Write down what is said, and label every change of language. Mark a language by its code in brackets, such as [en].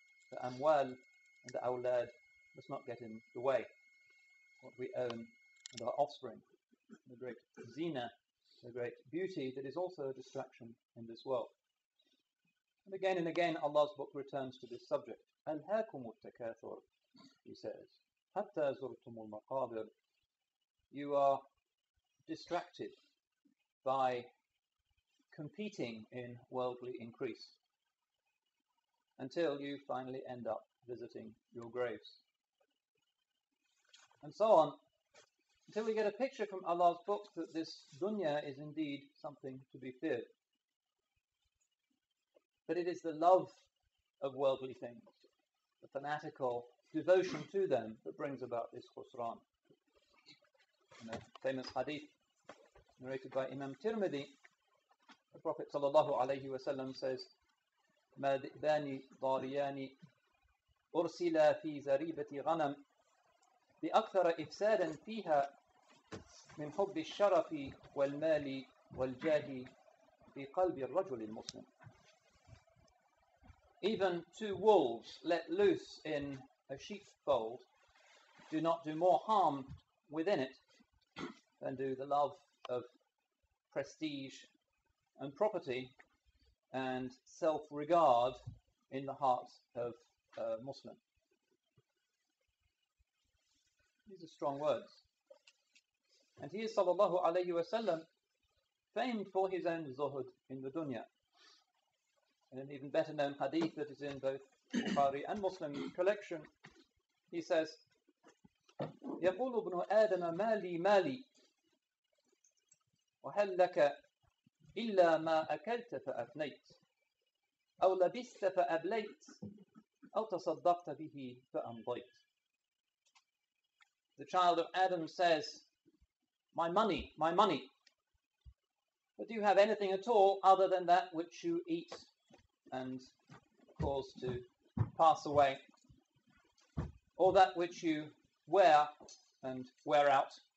[en] The amwal and the awlad must not get in the way. What we own and our offspring, the great zina, a great beauty that is also a distraction in this world. And again, Allah's book returns to this subject. [ar] أَلْهَاكُمُ التَّكَاثُرُ, [en] he says, [ar] حَتَّى زُرْتُمُ الْمَقَابِرُ. [en] You are distracted by competing in worldly increase until you finally end up visiting your graves. And so on. Until we get a picture from Allah's book that this dunya is indeed something to be feared. But it is the love of worldly things, the fanatical devotion to them, that brings about this khusran. In a famous hadith narrated by Imam Tirmidhi, the Prophet sallallahu alayhi wa sallam says, [ar] مَا ذِئْبَانِ ضَارِيَانِ أُرْسِلَا فِي زَرِيبَةِ غَنَمْ بِأَكْثَرَ إِفْسَادًا فِيهَا من حب الشرف والمال والجاه في قلب الرجل المسلم. [en] Even two wolves let loose in a sheepfold do not do more harm within it than do the love of prestige and property and self-regard in the heart of a Muslim. These are strong words. And he is, sallallahu alayhi wa sallam, famed for his own zuhud in the dunya. In an even better known hadith that is in both Bukhari and Muslim collection, he says, [ar] يقول ابن آدم ما لي ما لي وهل لك إلا ما أكلت فأفنيت أو لبست فأبليت أو تصدقت به فأمضيت. [en] The child of Adam says, my money, my money. But do you have anything at all other than that which you eat and cause to pass away? Or that which you wear and wear out?